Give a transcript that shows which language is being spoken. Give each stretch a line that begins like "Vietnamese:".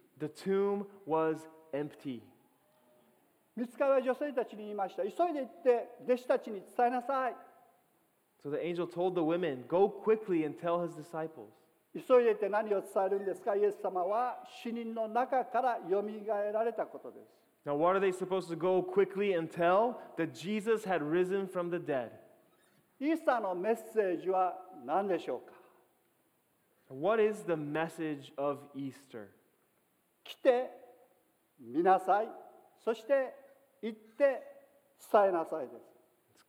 English: The tomb was empty.
Japanese: 御使いは女性たちに言いました。急いで行って弟子たちに伝えなさい。
English: So the angel told the women, go quickly and tell his disciples.
Japanese: 急いで行って何を伝えるんですか?イエス様は死人の中からよみがえられたことです。
English: Now, what are they supposed to go quickly and tell? That Jesus had risen from the dead.
Japanese: イースターのメッセージは何でしょうか?
English: What is the message of Easter?
Japanese: 来て、見なさい。そして、行って、伝えなさいです。